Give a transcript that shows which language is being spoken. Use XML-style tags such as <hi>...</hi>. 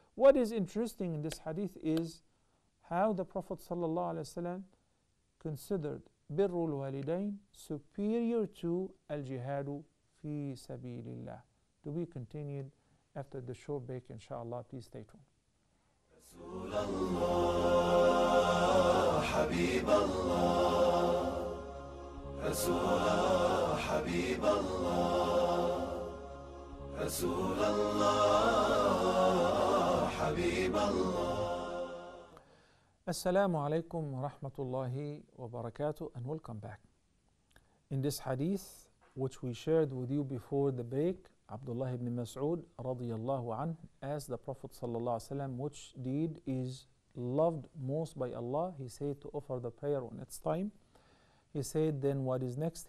<en>What is interesting in this hadith is how the Prophet sallallahu alaihi wasallam considered birru al-walidain superior to al-jihadu fi sabilillah. To be continued after the short break, inshallah, please stay tuned.</en> <ar>رسول الله حبيب الله رسول حبيب الله رسول الله حبيب الله. السلام عليكم ورحمة الله وبركاته</ar> <en>and welcome back. In this hadith which we shared with you before the break, Abdullah ibn Mas'ud radiyallahu anhu asked the Prophet sallallahu alaihi wasallam which deed is loved most by Allah. He said to offer the prayer when it's time. He said then what is next?</en>